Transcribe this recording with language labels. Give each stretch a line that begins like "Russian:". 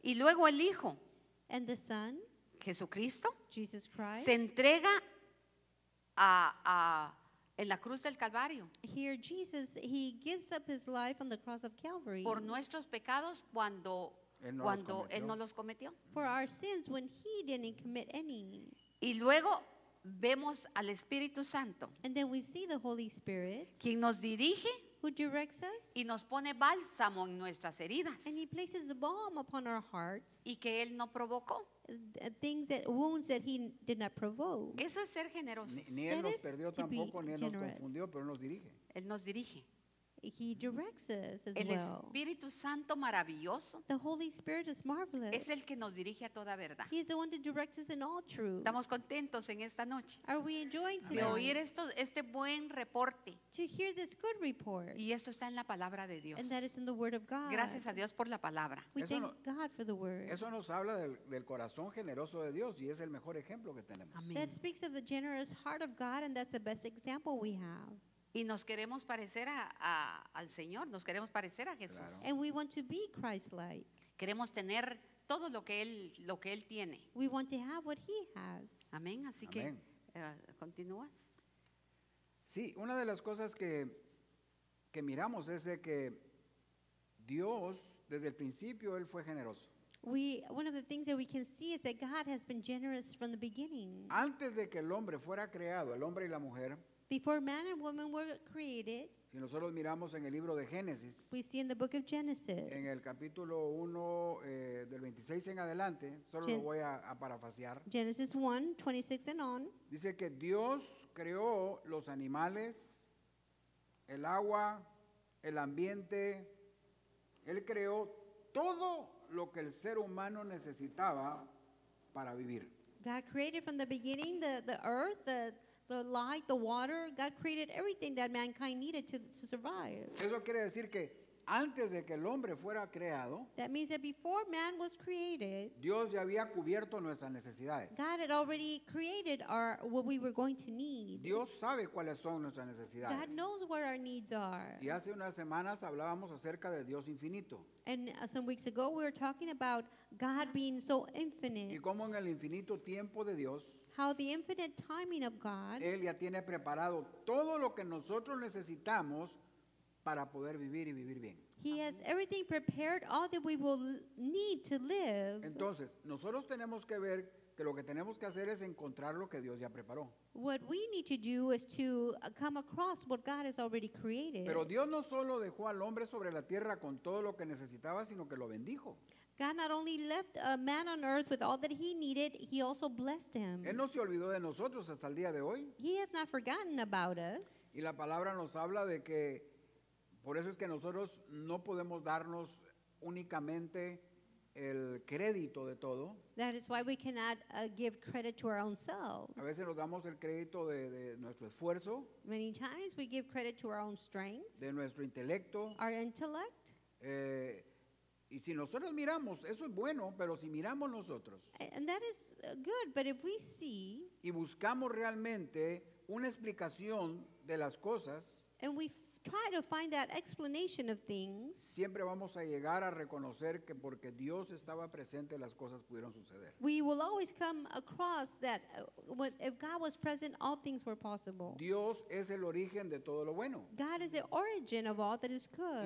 Spanish: Y luego el Hijo,
English: and the Son,
Spanish: Jesucristo,
English: Jesus Christ,
Spanish: se entrega a en la cruz del Calvario.
English: Here Jesus, he gives up his life on the cross of Calvary.
Spanish: Por nuestros pecados cuando él no los cometió.
English: For our sins when he didn't commit any.
Spanish: Y luego vemos al Espíritu Santo.
English: And then we see the Holy Spirit.
Spanish: Quien nos dirige.
English: Who directs us.
Spanish: Y nos pone bálsamo en nuestras heridas.
English: And he places balm upon our hearts.
Spanish: Y que él no provocó.
English: Things that wounds that he did not provoke.
Spanish: Eso es ser generoso. Ni él nos perdió tampoco, ni él nos confundió, pero nos dirige. Él nos dirige.
English: He directs us as
Spanish: el Espíritu Santo maravilloso.
English: The Holy Spirit is marvelous.
Spanish: Es el que nos dirige a toda verdad.
English: He is the one that directs us in all truth.
Spanish: Estamos contentos en esta noche.
English: Are we enjoying tonight?
Spanish: De oír este buen reporte.
English: To hear this good report.
Spanish: Y esto está en la palabra de Dios.
English: And that is in the word of God.
Spanish: Gracias a Dios por la palabra.
English: We thank God for the word.
Spanish: Eso nos habla del corazón generoso de Dios y es el mejor ejemplo que tenemos.
English: Amen. That speaks of the generous heart of God and that's the best example we have.
Spanish: Y nos queremos parecer al Señor, nos queremos parecer a Jesús. Claro.
English: And we want to be Christ-like.
Spanish: Queremos tener todo lo que él tiene.
English: We want to have what he has.
Spanish: Amén. Así Amén. Que continúas. Sí, una de las cosas que miramos es de que Dios desde el principio él fue generoso.
English: One of the things that we can see is that God has been generous from the beginning.
Spanish: Antes de que el hombre fuera creado, el hombre y la mujer.
English: Before man and woman were created,
Spanish: si nosotros miramos en el libro de Génesis,
English: we see in the book of Genesis,
Spanish: en el capítulo 1 del 26 en adelante, solo lo voy a parafrasear.
English: Genesis 1, 26 and on,
Spanish: dice que Dios creó los animales, el agua, el ambiente, él creó todo lo que el ser humano necesitaba para vivir.
English: God created from the beginning the earth, the light, the water. God created everything that mankind needed to survive.
Spanish: Eso quiere decir que antes de que el hombre fuera creado,
English: that means that before man was created,
Spanish: Dios ya había cubierto nuestras necesidades.
English: God had already created what we were going to need.
Spanish: Dios sabe cuáles son nuestras necesidades.
English: God knows where our needs are.
Spanish: Y hace unas semanas hablábamos acerca de Dios infinito.
English: And some weeks ago we were talking about God being so infinite.
Spanish: Y cómo en el infinito tiempo de Dios,
English: how the infinite timing of God,
Spanish: él ya tiene preparado todo lo que nosotros necesitamos para poder vivir y vivir bien.
English: He has everything prepared, all that we will need to live.
Spanish: Entonces, nosotros tenemos que ver que lo que tenemos que hacer es encontrar lo que Dios ya preparó.
English: What we need to do is to come across what God has already created.
Spanish: Pero Dios no solo dejó al hombre sobre la tierra con todo lo que necesitaba, sino que lo bendijo.
English: God not only left a man on earth with all that he needed, he also blessed him.
Spanish: Él no se olvidó de nosotros hasta el día de hoy.
English: He has not forgotten about us.
Spanish: Y la palabra nos habla de que por eso es que nosotros no podemos darnos únicamente el crédito de todo.
English: That is why we cannot give credit to our own selves.
Spanish: A veces nos damos el crédito de nuestro esfuerzo.
English: Many times we give credit to our own strength.
Spanish: De nuestro intelecto.
English: Our intellect.
Spanish: Y si nosotros miramos, eso es bueno, pero si miramos nosotros.
English: And that is good, but if we see.
Spanish: Y buscamos realmente una explicación de las cosas,
English: and we try to find that explanation of things,
Spanish: siempre vamos a llegar a reconocer que porque Dios estaba presente, las cosas pudieron suceder.
English: We will always come across that if God was present, all things were possible.
Spanish: Dios es el origen de todo lo bueno.
English: God is the origin of all that is good.